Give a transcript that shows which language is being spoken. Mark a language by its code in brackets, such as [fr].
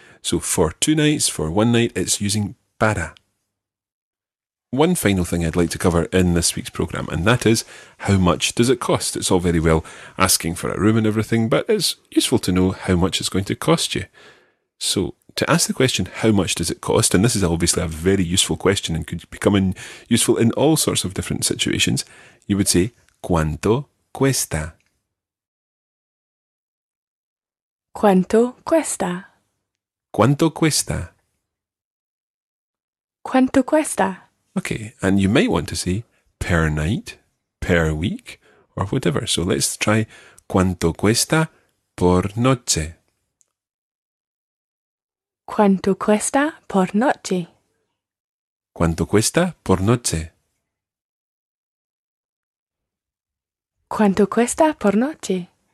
[en] So for two nights, for one night, it's using para. One final thing I'd like to cover in this week's programme, and that is, how much does it cost? It's all very well asking for a room and everything, but it's useful to know how much it's going to cost you. So to ask the question, how much does it cost? And this is obviously a very useful question and could become useful in all sorts of different situations. You would say, [es] ¿cuánto cuesta? ¿Cuánto cuesta? ¿Cuánto cuesta? ¿Cuánto cuesta? [en] Okay, and you might want to say per night, per week, or whatever. So let's try [es] ¿cuánto cuesta por noche? ¿Cuánto cuesta por noche? ¿Cuánto cuesta por noche? ¿Cuánto cuesta por noche?